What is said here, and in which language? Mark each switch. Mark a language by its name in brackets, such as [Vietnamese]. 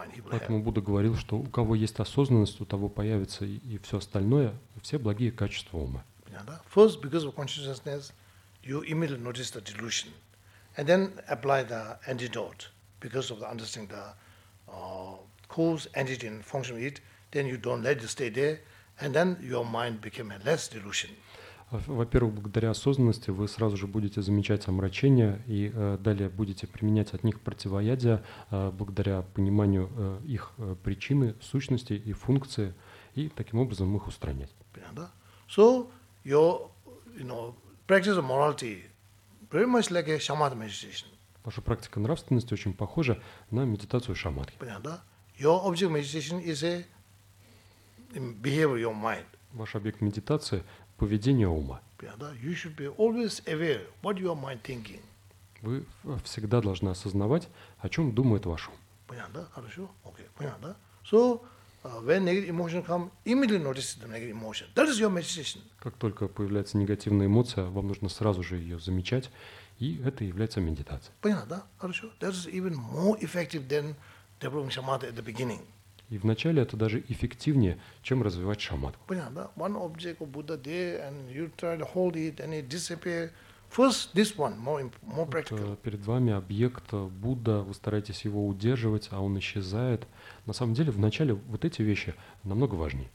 [Russian] Поэтому Будда говорил, что у кого есть осознанность, у того появится и все остальное, все благие качества ума. [English] First, because of consciousness, you immediately notice the delusion, and then apply the antidote because of the understanding the cause, entity, and function of it, then you don't let it stay there, and then your mind becomes less delusion. [Russian] Во-первых, благодаря осознанности вы сразу же будете замечать омрачения и далее будете применять от них противоядие благодаря пониманию их причины, сущности и функции, и таким образом их устранять. Понятно? [English] So, your practice of morality very much like a shamatha meditation. [Russian] Ваша практика нравственности очень похожа на медитацию шаматхи. Понятно? [English] Your object meditation is a behavior of your mind. [Russian] Ваш объект медитации – поведение ума. Понятно? [English] You should be always aware what your mind thinking. [Russian] Вы всегда должны осознавать, о чем думает ваш ум. Понятно? Хорошо? [English] Okay. [Russian] Понятно? [English] So, when negative emotion come, immediately notice the negative emotion. That is your meditation. [Russian] Как только появляется негативная эмоция, вам нужно сразу же ее замечать. И это является медитацией. Понятно, да? Хорошо. [English] That is even more effective than developing shamatha at the beginning. [Russian] И вначале это даже эффективнее, чем развивать шамадху. Понятно, да? [English] One object of Buddha there, and you try to hold it, and it disappear. First, this one more practical. [Russian] Вот, перед вами объект Будда, вы стараетесь его удерживать, а он исчезает. На самом деле, вначале вот эти вещи намного важнее.